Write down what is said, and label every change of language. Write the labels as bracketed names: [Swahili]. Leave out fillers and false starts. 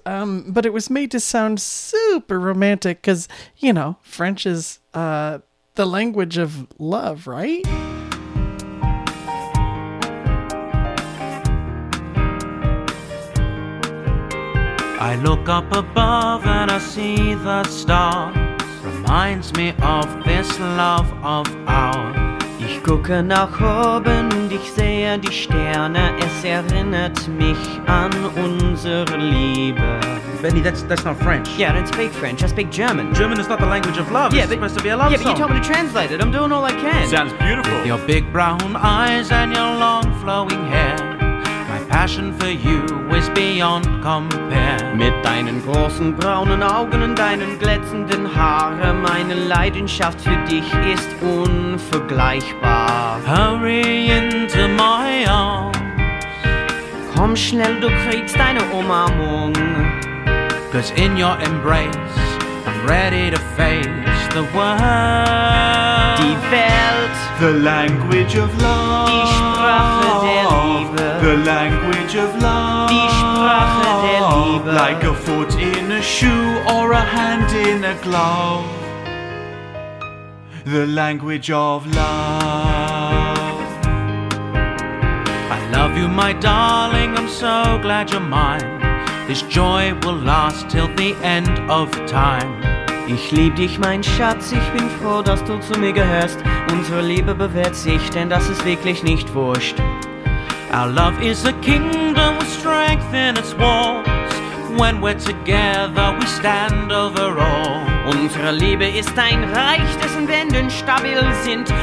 [English] But it was made to sound super romantic because, you know, French is the language of love, right? I look up above and I see the stars. Reminds me of this love of ours. [German] Ich gucke nach oben und ich sehe die Sterne. Es erinnert mich an unsere Liebe. [English] Benny, that's not French. Yeah, I don't speak French. I speak German. German is not the language of love. Yeah, it's supposed to be a love song. Yeah, but you told me to translate it. I'm doing all I can. Sounds beautiful. With your big brown eyes and your long flowing hair. Passion for you is beyond compare. [German] Mit deinen großen braunen Augen und deinen glänzenden Haaren, meine Leidenschaft für dich ist unvergleichbar. [English] Hurry into my arms, [German] Komm schnell, du kriegst deine Umarmung. [English] 'Cause in your embrace, I'm ready to face the world. [German] Die Welt. [English] The language of love. [German] Die Sprache der Liebe. [English] The language of love. [German] Die Sprache der Liebe. [English] Like a foot in a shoe or a hand in a glove. The language of love. I love you, my darling, I'm so glad you're mine. This joy will last till the end of time. [German] Ich lieb dich, mein Schatz, ich bin froh, dass du zu mir gehörst. Unsere Liebe bewährt sich, denn das ist wirklich nicht wurscht. [English] Our love is a kingdom with strength in its walls. When we're together, we stand over all. [German] Unsere Liebe ist ein Reich, dessen Wände stabil sind.